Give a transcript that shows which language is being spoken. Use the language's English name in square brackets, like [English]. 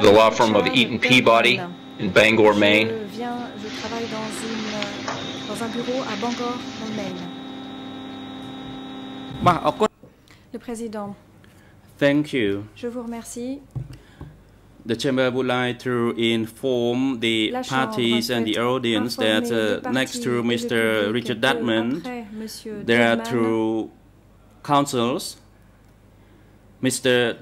[English] the law firm of Eaton Peabody in Bangor, Maine. [French] Je travaille dans un bureau à Bangor, Maine. Le président. [English] Thank you. [French] Je vous remercie. [English] The chamber would like to inform the parties and the audience that next to Mr. Richard Dudman, there are two counsels. Mr.